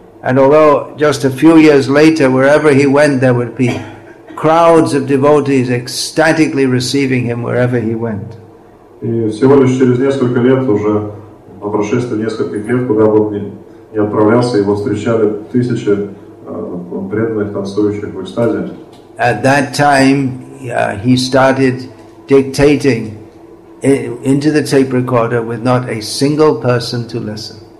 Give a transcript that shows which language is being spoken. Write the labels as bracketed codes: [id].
[en] And although just a few years later, wherever he went, there would be crowds of devotees ecstatically receiving him wherever he went. [ru] И всего лишь через несколько лет уже, по прошествии нескольких лет, куда бы он ни отправлялся, его встречали тысячи преданных танцующих в экстазе. [en] At that time, he started dictating into the tape recorder with not a single person to listen.